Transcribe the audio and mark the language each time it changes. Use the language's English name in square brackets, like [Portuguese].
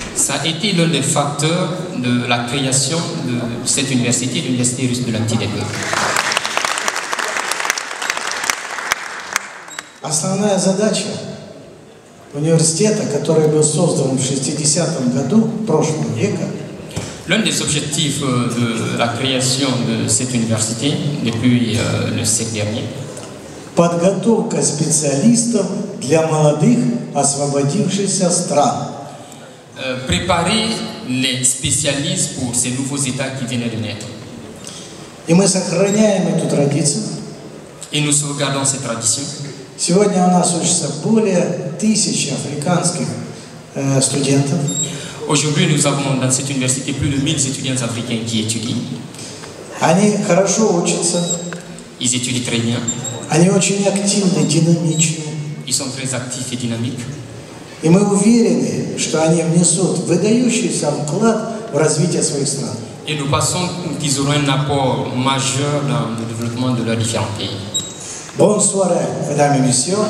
[French] Ça a été l'un des facteurs de la création de cette université, l'Université russe de l'Amitié des peuples. [Russian] Основная задача университета, который был создан в 60-м году прошлого века. [French] L'un des objectifs de la création de cette université depuis le siècle dernier. [Russian] Подготовка специалистов для молодых освободившихся стран. [French] Préparer les spécialistes pour ces nouveaux états qui viennent de naître. [Russian] И мы сохраняем эту традицию. [French] Et nous sauvegardons cette tradition. [Russian] Сегодня у нас учатся более 1000 африканских студентов. [French] Aujourd'hui, nous avons dans cette université plus de 1000 étudiants africains qui étudient. [Russian] Они хорошо учатся. [French] Ils étudient très bien. [Russian] Они очень активны, динамичны. [French] Ils sont très actifs et dynamiques. [Russian] И мы уверены, что они внесут выдающийся вклад в развитие своих стран. [French] Et nous pensons qu'ils auront un apport majeur dans le développement de leurs différents pays. Bonsoir, mesdames et messieurs.